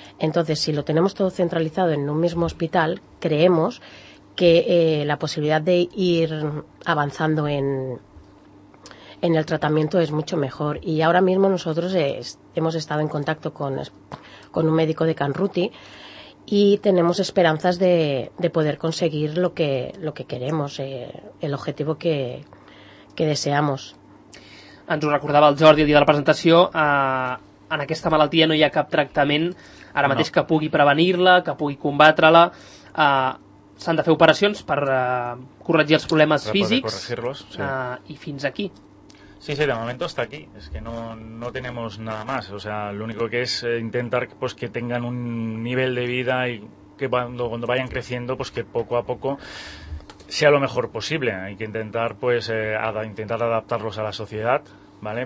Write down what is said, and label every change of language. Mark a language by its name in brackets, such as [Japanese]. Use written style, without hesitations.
[Spanish] Entonces, si lo tenemos todo centralizado en un mismo hospital, creemos que la posibilidad de ir avanzando en el tratamiento es mucho mejor. Y ahora mismo nosotros hemos estado en contacto con un médico de Can Ruti y tenemos esperanzas de poder conseguir lo que queremos, el objetivo que deseamos. [Catalan] Ens ho recordava el Jordi el dia de la presentació. En aquesta malaltia no hi ha cap tractament ara mateix que pugui prevenir-la, que pugui combatre-la. S'han de fer operacions per corregir els problemes físics, [Spanish] sí. [Catalan] I fins aquí. [Spanish] Sí, sí, de momento hasta aquí. Es que no tenemos nada más. O sea, lo único que es intentar, pues, que tengan un nivel de vida y que cuando vayan creciendo, pues que poco a poco sea lo mejor posible. Hay que intentar, pues, intentar adaptarlos a la sociedad, ¿vale?